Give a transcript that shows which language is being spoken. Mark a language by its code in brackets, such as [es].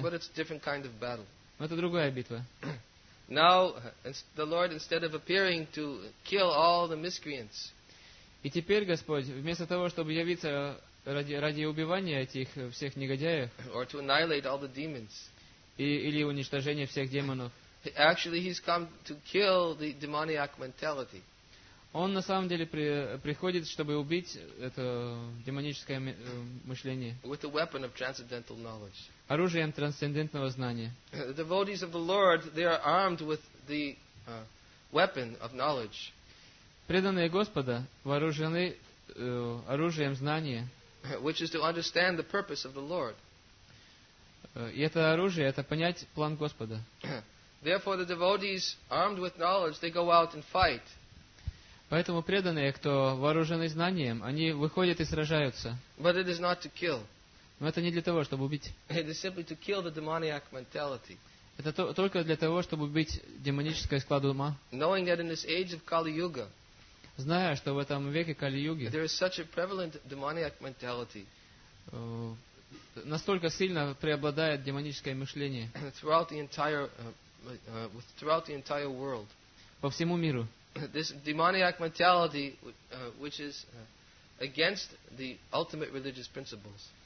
[en] But it's a different kind of battle. [ru] Это другая битва. [en] Now, the Lord, instead of appearing to kill all the miscreants, [ru] и теперь Господь, вместо того, чтобы явиться ради убивания этих всех негодяев, [en] or to annihilate all the demons, [ru] или уничтожения всех демонов, [en] actually, he's come to kill the demoniac mentality. [ru] Он на самом деле приходит, чтобы убить это демоническое мышление. [en] With a weapon of transcendental knowledge. [ru] Оружием трансцендентного знания. [en] The devotees of the Lord, they are armed with the weapon of knowledge. [ru] Преданные Господа вооружены оружием знания. [en] Which is to understand the purpose of the Lord. [ru] И это оружие, это понять план Господа. [en] Therefore, the devotees, armed with knowledge, they go out and fight. [ru] Поэтому преданные, кто вооружены знанием, они выходят и сражаются. [en] But it is not to kill. [ru] Но это не для того, чтобы убить. [en] It is simply to kill the demoniac mentality. [ru] Это только для того, чтобы убить демонический склад ума. [en] Knowing that in this age of Kali-Yuga, [ru] зная, что в этом веке Кали-Юги, [en] there is such a prevalent demoniac mentality, [ru] настолько сильно преобладает демоническое мышление [en] throughout the entire world, [ru] по всему миру. [en] This demoniac mentality, which is against the ultimate religious principles.